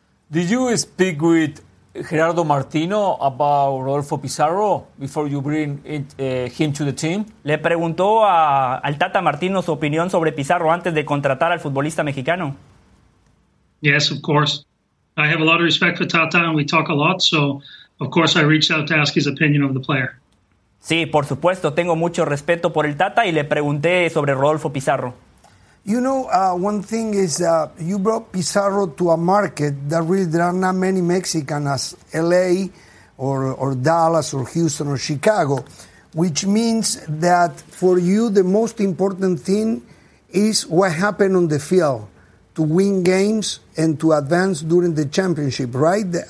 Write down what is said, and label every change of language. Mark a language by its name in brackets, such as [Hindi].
[English] Did you speak with Gerardo Martino about Rodolfo Pizarro before you bring him to the team? [Spanish] Le preguntó al Tata Martino su opinión sobre Pizarro antes de contratar al futbolista mexicano. [English] Yes, of course. I have a lot of respect for Tata and we talk a lot, so of course I reached out to ask his opinion of the player. [Spanish] Sí, por supuesto, tengo mucho respeto por el Tata y le pregunté sobre Rodolfo Pizarro. [English] You know, one thing is you brought Pizarro to a market that really there are not many Mexicans as LA or Dallas or Houston or Chicago, which means that for you the most important thing is what happened on the field to win games and to advance during the championship, right?